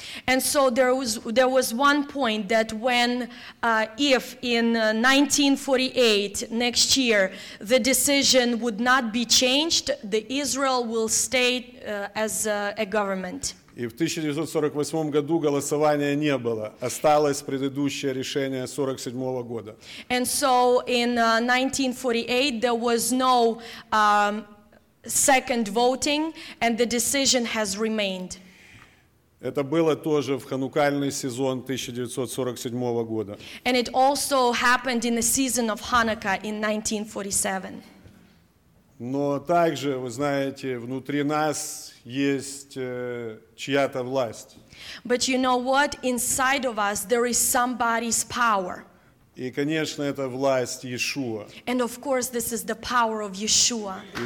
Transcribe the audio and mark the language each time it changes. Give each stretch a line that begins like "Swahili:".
English: And so there was one point that if in 1948, next year, the decision would not be changed, the Israel will stay as a government.
Russian: И в 1948 году голосования не было. Осталось предыдущее решение 47 года.
English: And so in 1948, there was no second voting, and the decision has remained.
Russian: Это было тоже в ханукальный сезон 1947 года.
English: And it also happened in the season of Hanukkah in 1947.
Russian: Но также, вы знаете, внутри нас есть чья-то власть.
English: But you know what? Inside of us there is somebody's power.
Russian: И, конечно, это власть Иешуа.
English: And of course, this is the power of Yeshua.